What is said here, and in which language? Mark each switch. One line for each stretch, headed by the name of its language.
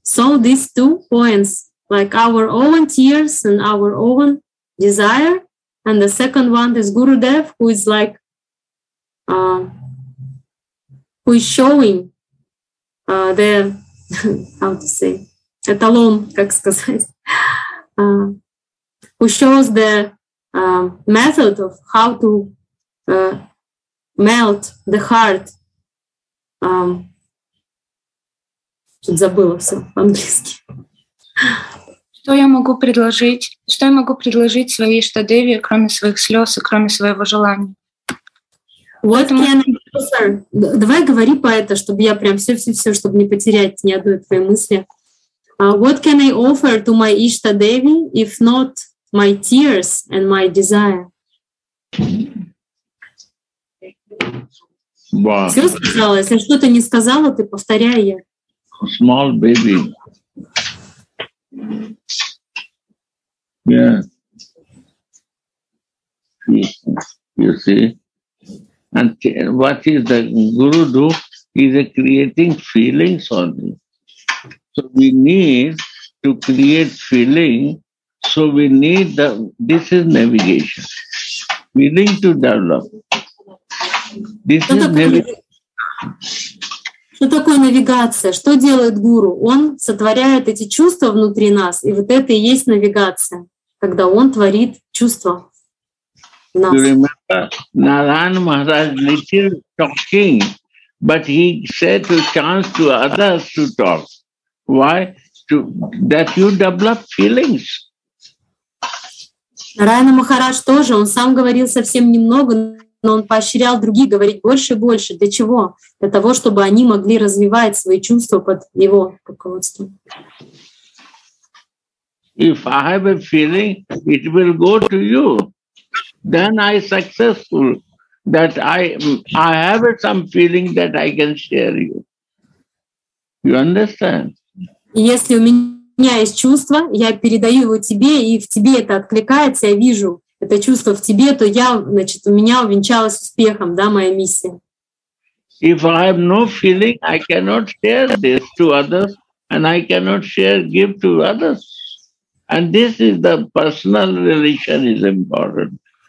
English: So these two points, like our own tears and our own desire, and the second one is Gurudev, who is like, who is showing the, how to say,
Russian: эталон, как сказать,
English: who shows the method of how to melt the heart.
Russian: Тут забыла все по-английски. Что я могу предложить? Что я могу предложить своей Иштадеве, кроме своих слез и кроме своего желания?
English: What can I offer?
Russian: Давай говори по это, чтобы я прям все-все-все, чтобы не потерять ни одной твоей мысли.
English: What can I offer to my Иштадеве, if not my tears and my desire? Wow.
Russian: Все сказала? Если что-то не сказала, ты повторяй я.
English: Small baby. Yeah. You see? And what is the guru do? He's creating feelings only. So we need to create feeling. So we need the, this is navigation. Feeling to develop. This is
Russian: navigation. Что такое навигация? Что делает гуру? Он сотворяет эти чувства внутри нас, и вот это и есть навигация, когда он творит чувства.
English: You remember Narayan Maharaj little talking, but he said to chance to others to talk. Why? To that you develop feelings.
Russian: Нарайана Махарадж тоже, он сам говорил совсем немного, но он поощрял других говорить больше и больше. Для чего? Для того, чтобы они могли развивать свои чувства под его руководством.
English: If I have a feeling, it will go to you. Then I successful that I have some feeling that I can share you. You understand?
Russian: Если у меня есть чувство, я передаю его тебе, и в тебе это откликается, я вижу это чувство в тебе, то я, значит, у меня увенчалась успехом, да, моя миссия.
English: If I have no feeling, I cannot share this to others, and I cannot share give to others. And this is the personal relation is important.